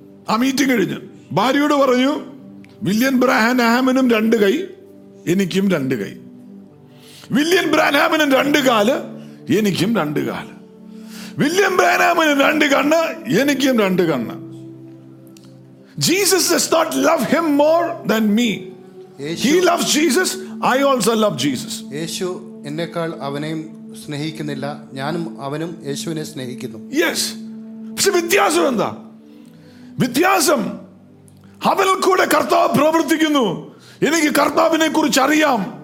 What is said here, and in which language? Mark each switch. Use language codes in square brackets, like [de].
[ml] ആ മീറ്റിംഗ് കഴിഞ്ഞ് ഭാര്യയോട് പറഞ്ഞു, വില്യം ബ്രാൻഹാമിനും രണ്ട് കൈ, എനിക്കും രണ്ട് കൈ. വില്യം ബ്രാൻഹാമിനും രണ്ട് കാല്, എനിക്കും രണ്ട് കാല്. വില്യം ബ്രാൻഹാമിന് രണ്ട് കണ്ണ്, എനിക്കും രണ്ട് കണ്ണ്. [en] Jesus does not love him more than me. He loves Jesus, I also love Jesus. [ml] യേശു എന്നേക്കാൾ അവനെയും സ്നേഹിക്കുന്നില്ല, ഞാനും അവനും യേശുവിനെ സ്നേഹിക്കുന്നു. Yes. പക്ഷെ വ്യത്യാസം എന്താ? വ്യത്യാസം അവൻ കൂടെ കർത്താവ് പ്രവർത്തിക്കുന്നു, എനിക്ക് കർത്താവിനെ കുറിച്ച് അറിയാം.